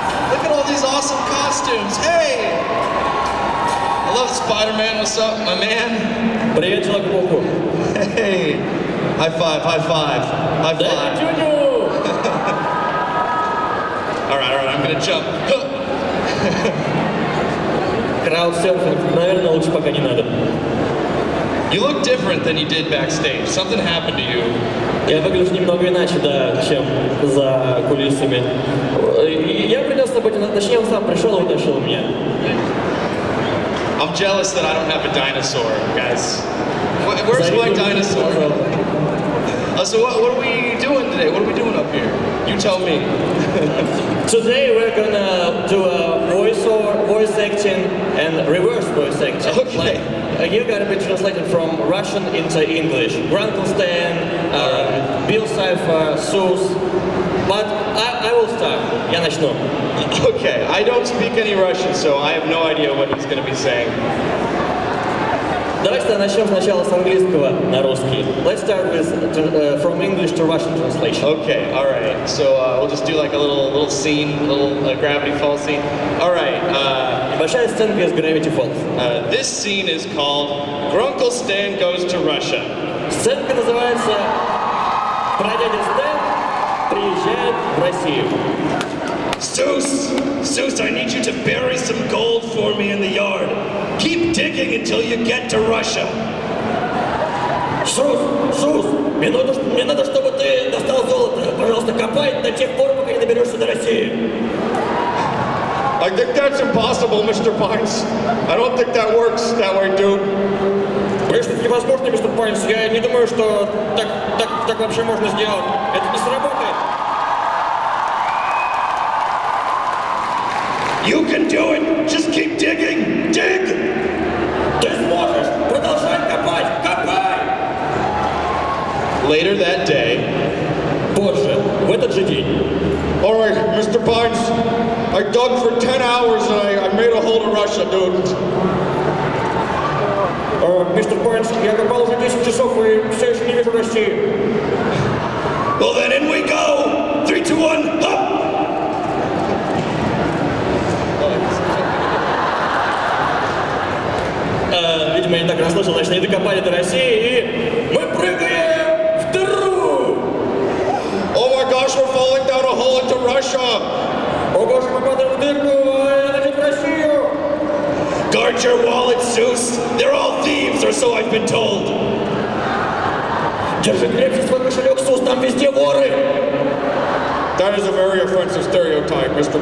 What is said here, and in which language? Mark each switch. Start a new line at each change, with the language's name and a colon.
English: Look at all these awesome costumes. Hey! I love Spider-Man, what's up, my man?
Russian: Привет, человек-паук.
English: Hey! High five, high five, high five. Thank you, Junior! Alright, alright, I'm gonna jump.
Russian: Краудсерфинг, наверное, лучше пока не надо.
English: You look different than you did backstage. Something happened to you.
Russian: Я выгляжу немного иначе, да, чем за кулисами. Я принес с тобой, точнее, он сам пришел и утащил меня.
English: I'm jealous that I don't have a dinosaur, guys. Where's my dinosaur? So what are we doing today? What are we doing up here? You tell me. Today we're gonna do a voice acting and reverse voice acting. Okay. Like, you gotta be translated from Russian into English. Grunkelstein, Bill Cipher, Seuss. But I will start.
Russian: Я начну.
English: Okay, I don't speak any Russian, so I have no idea what he's gonna be saying.
Russian: Давайте начнем сначала с английского на русский.
English: Let's start with from English to Russian translation. Okay, all right. So we'll just do like a little scene, a little Gravity Falls scene. All right.
Russian: Небольшая сцена из Gravity Falls.
English: This scene is called Grunkelstein Goes to Russia.
Russian: Сценка называется Прадядя Стэн приезжает в Россию.
English: Seuss, I need you to bury some gold for me in the yard. Keep digging until you get to Russia.
Russian: Seuss, мне надо, чтобы ты достал золото. Пожалуйста, копай до тех пор, пока не доберешься до России.
English: I think that's impossible, Mr. Barnes. I don't think that works that way, dude.
Russian: Конечно, это невозможно, Mr. Barnes. Я не думаю, что так вообще можно сделать. Это не сработает.
English: You can do it! Just keep digging! Dig!
Russian: Ты сможешь! Продолжай копать! Копай!
English: Later that day...
Russian: Позже, в этот же день...
English: Alright, Mr. Barnes, I dug for 10 hours and I made a hole in Russia, dude. Mr.
Russian: Barnes, я копал уже 10 часов и все еще не вижу России.
English: Well then, in we go! 3, 2, 1, up!
Russian: Видимо, я не так расслышал, значит, они докопали до России, и мы прыгаем в дыру!
English: Oh my gosh, we're falling down a hole into Russia!
Russian: О боже, мы падаем в дырку, а я лечу в Россию!
English: Guard your wallet, Seuss! They're all thieves, or so I've been told!
Russian: Держи крепче свой кошелек, СУС, там везде воры!
English: That is a very offensive stereotype, Mr.